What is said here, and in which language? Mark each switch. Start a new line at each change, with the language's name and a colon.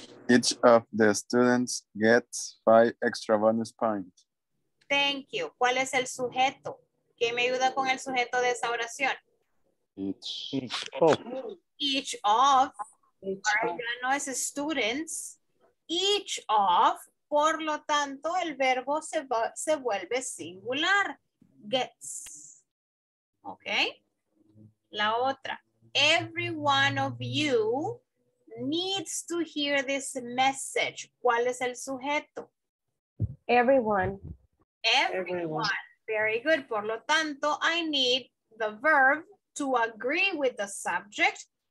English: Each of the students gets 5 extra bonus points. Thank you.
Spanish: ¿Cuál es el sujeto? ¿Qué me ayuda con el sujeto de esa oración?
English: Each of.
Spanish: Ya no es students.
English: Each of.
Spanish: Por lo tanto, el verbo se vuelve singular. Gets. ¿Ok? La otra.
English: Every one of you needs to hear this message.
Spanish: ¿Cuál es el sujeto?
English: Everyone. Everyone. Very good.
Spanish: Por lo tanto,
English: I need the verb to agree with the subject.